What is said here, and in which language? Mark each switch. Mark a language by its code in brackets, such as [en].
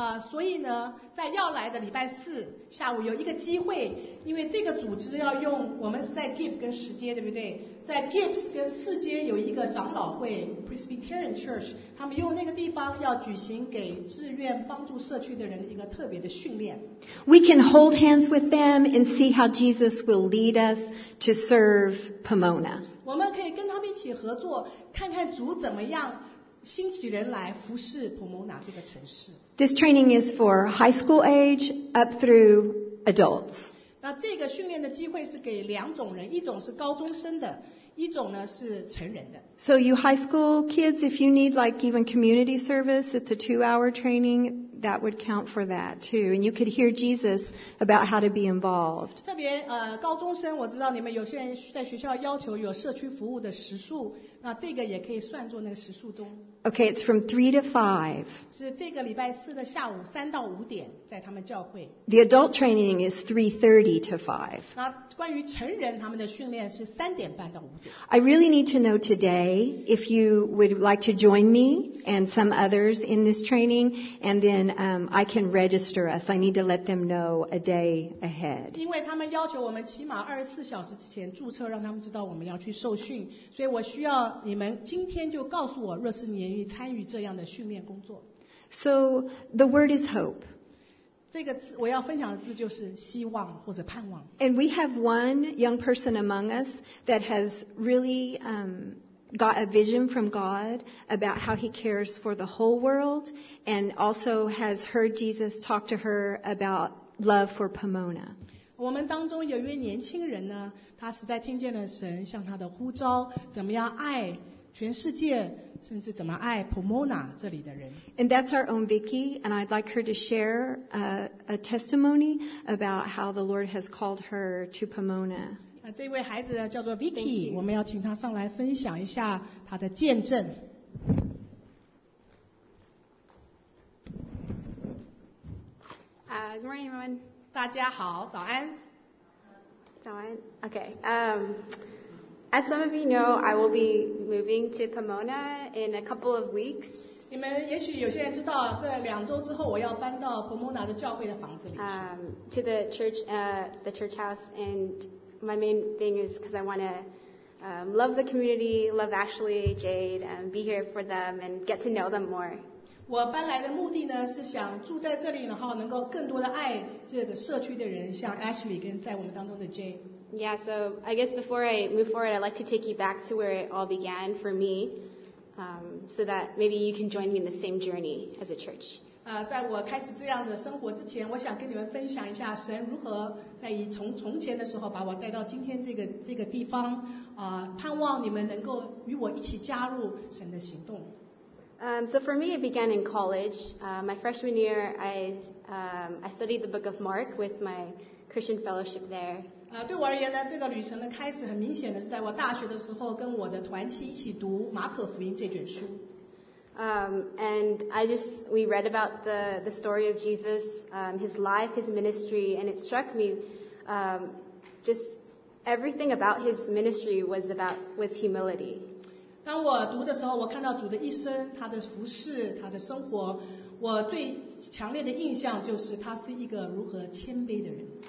[zh] 所以呢，在要来的礼拜四下午有一个机会，因为这个组织要用我们是在 Gibbs 跟十街，对不对？在 Gibbs 跟四街有一个长老会 Presbyterian Church， 他们用那个地方要举行给志愿帮助社区的人一个特别的训练。 [en] We can hold hands with them and see how Jesus will lead us to serve Pomona. [zh] 我们可以跟他们一起合作，看看主怎么样。兴起人来服侍普蒙纳这个城市。 [en] This training is for high school age up through adults. [zh] 那这个训练的机会是给两种人，一种是高中生的，一种呢是成人的。 [en] So you high school kids, if you need like even community service, it's a 2-hour training that would count for that too, and you could hear Jesus about how to be involved. [zh] 特别高中生，我知道你们有些人在学校要求有社区服务的时数。那这个也可以算作那个时数中。 [en] Okay, it's from 3 to 5. [zh] 是这个礼拜四的下午3到5点，在他们教会。 [en] The adult training is 3:30 to 5. [zh] 那关于成人他们的训练是3:30到5点。 [en] I really need to know today if you would like to join me and some others in this training, and then I can register us. I need to let them know a day ahead. [zh] 因为他们要求我们起码24小时之前注册，让他们知道我们要去受训，所以我需要。你们今天就告诉我，若是你愿意参与这样的训练工作。 [en] So the word is hope. [zh] 这个字我要分享的字就是希望或者盼望。 [en] And we have one young person among us that has really got a vision from God about how he cares for the whole world, and also has heard Jesus talk to her about love for Pomona. [zh] 我们当中有一位年轻人呢，他实在听见了神向他的呼召，怎么样爱全世界，甚至怎么爱 Pomona 这里的人。 [en] And that's our own Vicky, and I'd like her to share a testimony about how the Lord has called her to Pomona. [zh] 这位孩子叫做 Vicky， 我们要请他上来分享一下他的见证。 [en] Good morning, everyone. [zh] 大家好，早安。早安。Okay. [en] As some of you know, I will be moving to Pomona in a couple of weeks. [zh] 你们也许有些人知道，这两周之后我要搬到 Pomona 的教会的房子里去。 [en] To the church, the church house, and my main thing is because I want to love the community, love Ashley, Jade, be here for them and get to know them more. [zh] 我搬来的目的呢，是想住在这里，然后能够更多的爱这个社区的人，像 Ashley 跟在我们当中的 Jay。 [en] Yeah, so I guess before I move forward, I'd like to take you back to where it all began for me, so that maybe you can join me in the same journey as a church. [zh] 在我开始这样的生活之前，我想跟你们分享一下神如何在从前的时候把我带到今天这个地方，盼望你们能够与我一起加入神的行动。 [en] So for me, it began in college. My freshman year, I studied the book of Mark with my Christian fellowship there. [zh] 对我而言呢，这个旅程的开始很明显的是在我大学的时候跟我的团契一起读马可福音这卷书。 [en] And we read about the story of Jesus, his life, his ministry, and it struck me, just everything about his ministry was humility. [zh] 当我读的时候，我看到主的一生，他的服事，他的生活，我最强烈的印象就是他是一个如何谦卑的人。